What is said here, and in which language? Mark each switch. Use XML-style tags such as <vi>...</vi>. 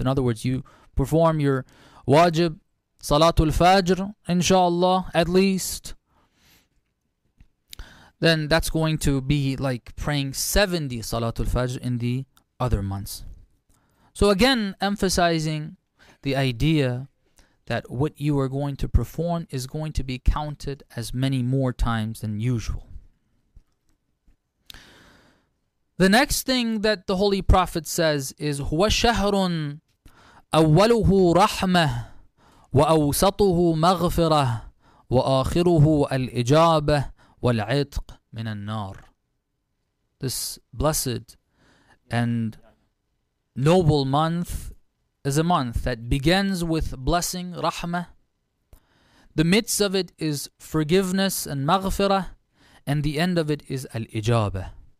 <en>In other words, you perform your wajib, salatul fajr, inshallah, at least, then that's going to be like praying 70 salatul fajr in the other months. So again, emphasizing the idea that what you are going to perform is going to be counted as many more times than usual. The next thing that the Holy Prophet says is,</en> <ar>هُوَ شَهْرٌ أَوَّلُهُ رَحْمَةٌ وَأَوْسَطُهُ مَغْفِرَةٌ وَآخِرُهُ الْإِجَابَةُ وَالْعِتْقُ مِنَ النَّارِ.</ar> <en>This blessed and noble month is a month that begins with blessing, rahmah. The midst of it is forgiveness and maghfirah, and the end of it is al-ijabah.</en>